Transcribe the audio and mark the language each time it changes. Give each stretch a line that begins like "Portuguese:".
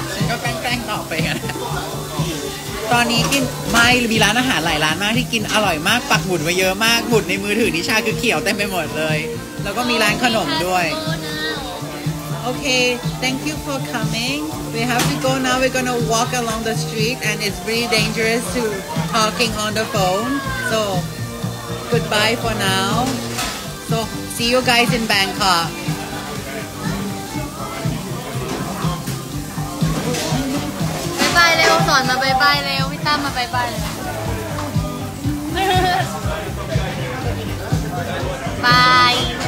Thai: ก็แกล้งตอบไปตอนนี้กินไม่มีร้านอาหารหลายร้านมากที่กินอร่อยมากปักหมุดไว้เยอะมากหมุดในมือถือนิชาคือเขียวเต็มไปหมดเลยแล้วก็มีร้านขนมด้วย
English: Okay, thank you for coming. We have to go now. We're gonna walk along the street and it's really dangerous to talking on the phone. So, goodbye for now. So, see you guys in Bangkok. Bye bye, Leo.
Thai: สอนมา
English: bye bye, Leo. พี่ตั้มมา bye bye. Bye.